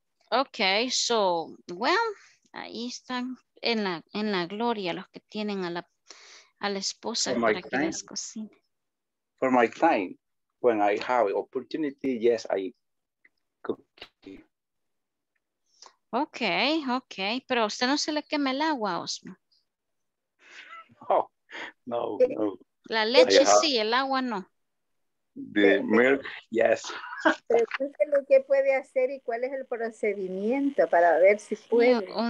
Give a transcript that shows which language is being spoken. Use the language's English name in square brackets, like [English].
[Spanish] Okay, so, well, ahí están en la gloria los que tienen a la esposa para que les cocine. [English] For my time, when I have opportunity, yes, I cook. Okay, okay. [Spanish] Pero a usted no se le quema el agua, Osma. No, no, no. La leche sí, el agua no. [English] The milk, yes. [Spanish] Pregúntale lo que puede hacer y cuál es el procedimiento para ver si puede.